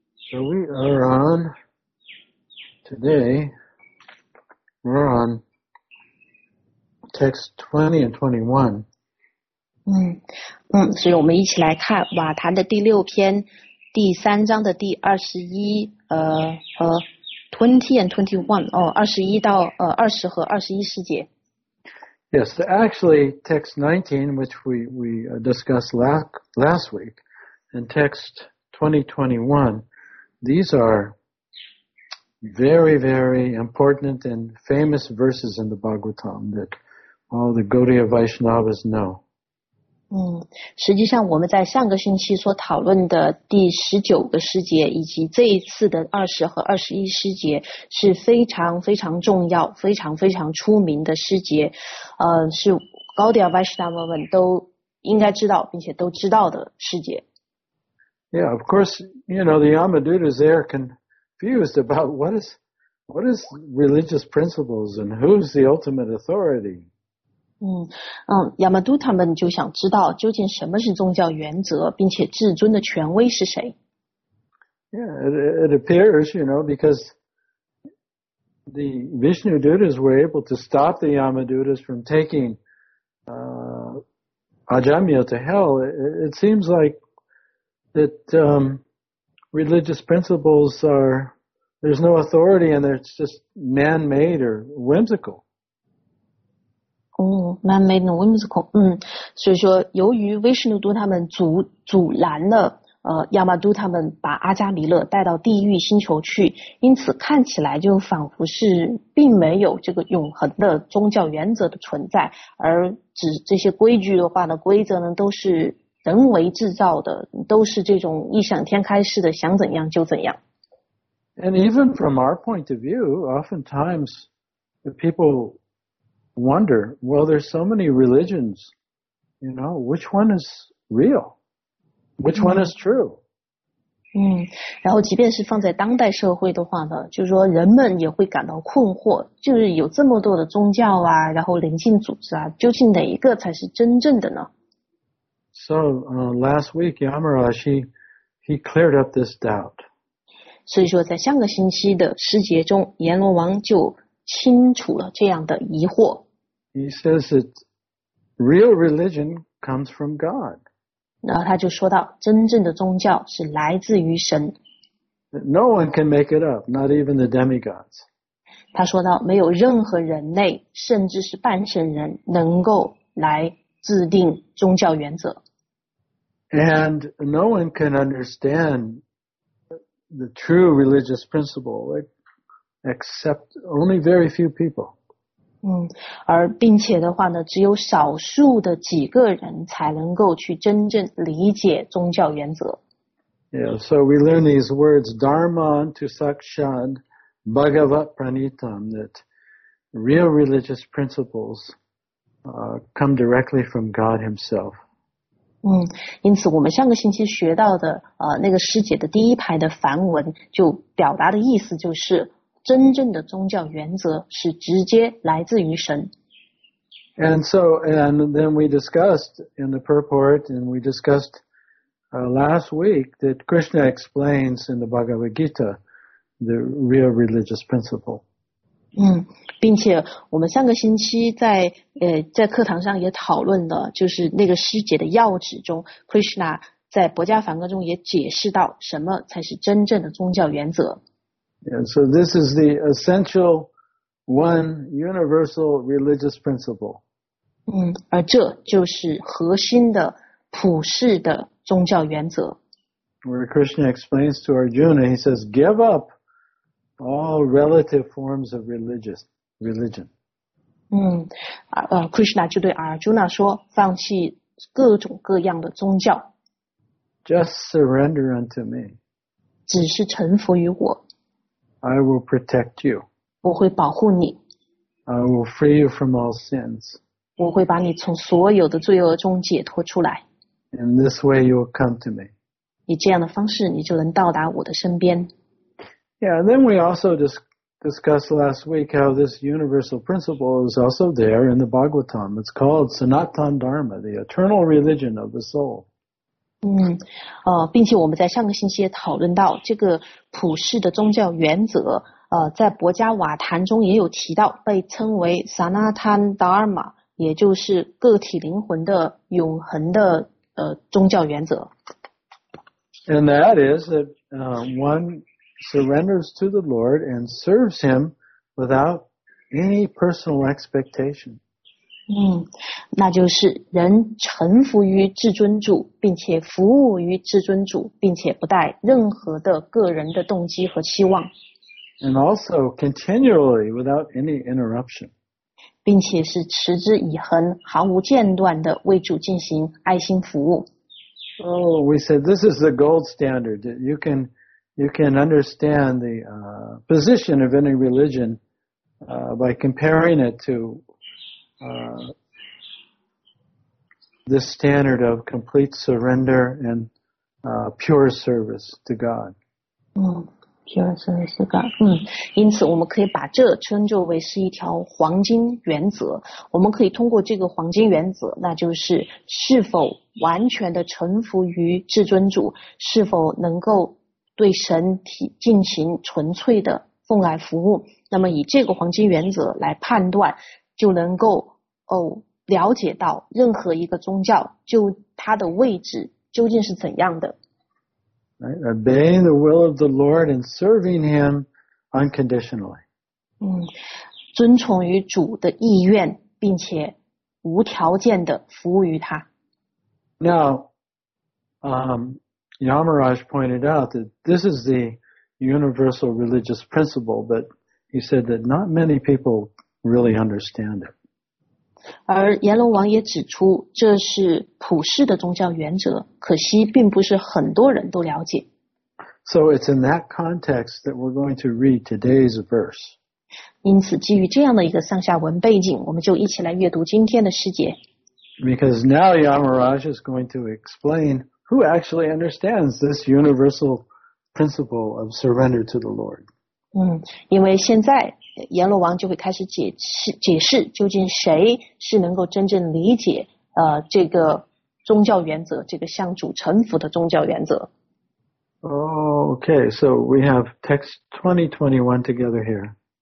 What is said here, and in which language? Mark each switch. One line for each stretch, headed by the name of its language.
English: So we are on today, we're on text 20 and 21.
Chinese: 所以我们一起来看瓦坛的第六篇第三章的第21和
English: 20 and 21,
Chinese: 21到20和21世界。
English: Yes, actually text 19, which we discussed last week, and text 20-21, these are very, very important and famous verses in the Bhagavatam that all the Gaudiya Vaishnavas know.
Chinese: 实际上我们在上个星期所讨论的第19个诗节以及这一次的20和21诗节是非常非常重要、非常非常出名的诗节，是 Gaudiya Vaishnavas 们都应该知道并且都知道的诗节。
English: Yeah, of course, you know, the Yamadutas there can... confused about what is religious principles and who's the ultimate authority.
Chinese: 亚玛都他们就想知道究竟什么是宗教原则并且至尊的权威是谁。
English: Yeah, it appears, you know, because the Vishnu Dutas were able to stop the Yamadutas from taking Ajamya to hell. It seems like that religious principles are, there's no authority and it's just man-made or whimsical. Man-made and whimsical.
Chinese: 所以说由于威士努都他们阻拦了亚玛都他们把阿加弥勒带到地狱星球去，因此看起来就仿佛是并没有这个永恒的宗教原则的存在，而指这些规矩的话呢，规则呢都是人为制造的，都是这种异想天开式的，想怎样就怎样。
English: And even from our point of view, oftentimes the people wonder, well, there's so many religions, you know, which one is real? Which one is true?
Chinese: 然后即便是放在当代社会的话呢，就是说人们也会感到困惑，就是有这么多的宗教啊，然后灵性组织啊，究竟哪一个才是真正的呢？
English: So, last week, Yamaraj, he cleared up this doubt.
Chinese: 所以说在上个星期的师节中，阎罗王就清楚了这样的疑惑。
English: He says that real religion comes from God.
Chinese: 然后他就说到，真正的宗教是来自于神。
English: No one can make it up, not even the demigods.
Chinese: 他说到，没有任何人类，甚至是半神人，能够来制定宗教原则。
English: And no one can understand the true religious principle, except only very few people.
Chinese: 而并且的话呢，只有少数的几个人才能够去真正理解宗教原则。
English: Yeah, so we learn these words, Dharma to Sakshan, Bhagavat Pranitam, that real religious principles come directly from God himself.
Chinese: 因此我们上个星期学到的那个师姐的第一排的梵文就表达的意思就是真正的宗教原则是直接来自于神。
English: And so, and then we discussed in the purport, and we discussed last week that Krishna explains in the Bhagavad Gita the real religious principle.
Chinese: 并且我们上个星期在课堂上也讨论了，就是那个师姐的要旨中 ，Krishna 在《薄伽梵歌》中也解释到什么才是真正的宗教原则。
English: And so this is the essential one universal religious principle.
Chinese: 而这就是核心的普世的宗教原则。
English: Where Krishna explains to Arjuna, he says, give up all relative forms of religion.
Chinese: Krishna 就对 Arjuna 说，放弃各种各样的宗教。
English: Just surrender unto me.
Chinese: 只是臣服于我。
English: I will protect you.
Chinese: 我会保护你。
English: I will free you from all sins.
Chinese: 我会把你从所有的罪恶中解脱出来。
English: In this way you will come to me.
Chinese: 以这样的方式你就能到达我的身边。
English: Yeah, and then we also discussed last week how this universal principle is also there in the Bhagavatam. It's called Sanatan Dharma, the eternal religion of the soul.
Chinese: 并且我们在上个星期也讨论到这个普世的宗教原则在薄伽瓦坛中也有提到，被称为 Sanatan Dharma， 也就是个体灵魂的永恒的宗教原则。
English: And that is that one surrenders to the Lord and serves him without any personal expectation.
Chinese: 那就是人臣服于至尊主，并且服务于至尊主，并且不带任何的个人的动机和期望。
English: And also continually without any interruption.
Chinese: 并且是持之以恒，毫无间断的为主进行爱心服务。
English: Oh, we said this is the gold standard. You can understand the position of any religion by comparing it to the standard of complete surrender and pure service to God. Pure service to God.
Chinese: 因此我们可以把这称作为是一条黄金原则。我们可以通过这个黄金原则，那就是是否完全的臣服于至尊主，是否能够对神体进行纯粹的奉爱服务。那么以这个黄金原则来判断，就能够了解到任何一个宗教就它的位置究竟是怎样的。
English: Right, obeying the will of the Lord and serving Him unconditionally.
Chinese: 遵从于主的意愿，并且无条件的服务于他。
English: Now, Yamaraj pointed out that this is the universal religious principle, but he said that not many people really understand it.
Chinese: 而阎罗王也指出，这是普世的宗教原则，可惜并不是很多人都了解。
English: So it's in that context that we're going to read today's verse.
Chinese: 因此，基于这样的一个上下文背景，我们就一起来阅读今天的诗节。
English: Because now Yamaraj is going to explain who actually understands this universal principle of surrender to the Lord.
Chinese: 因为现在阎罗王就会开始解释究竟谁是能够真正理解这个宗教原则，这个向主臣服的宗教原则。
English: Okay, so we have text 20-21 together here.